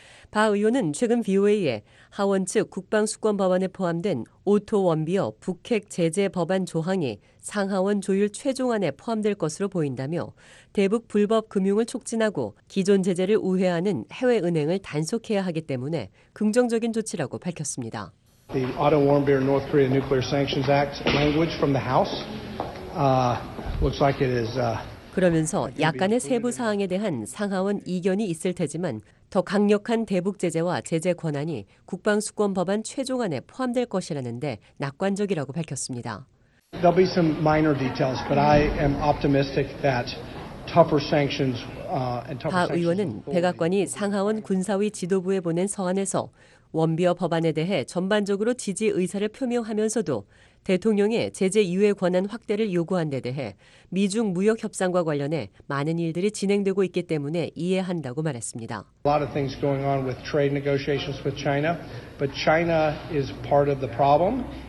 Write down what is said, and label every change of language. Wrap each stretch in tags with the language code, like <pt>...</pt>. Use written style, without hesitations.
<ko>바 의원은 최근 VOA에 하원 측 국방수권 법안에 포함된 오토 원비어 북핵 제재 법안 조항이 상하원 조율 최종안에 포함될 것으로 보인다며 대북 불법 금융을 촉진하고 기존 제재를 우회하는 해외 은행을 단속해야 하기 때문에 긍정적인 조치라고 밝혔습니다.</ko> <en>The Otto Warmbier North Korea Nuclear Sanctions Act language from the House looks like it is.</en> <ko>그러면서 약간의 세부 사항에 대한 상하원 이견이 있을 테지만 더 강력한 대북 제재와 제재 권한이 국방수권 법안 최종안에 포함될 것이라는데 낙관적이라고 밝혔습니다.</ko> <en>There'll be some minor details, but I am optimistic that.</en> <ko>바 의원은 백악관이 상하원 군사위 지도부에 보낸 서한에서 원비어 법안에 대해 전반적으로 지지 의사를 표명하면서도 대통령의 제재 유예 권한 확대를 요구한 데 대해 미중 무역 협상과 관련해 많은 일들이 진행되고 있기 때문에 이해한다고 말했습니다.</ko> <en>A lot of things going on with trade negotiations with China, but China is part of the problem.</en>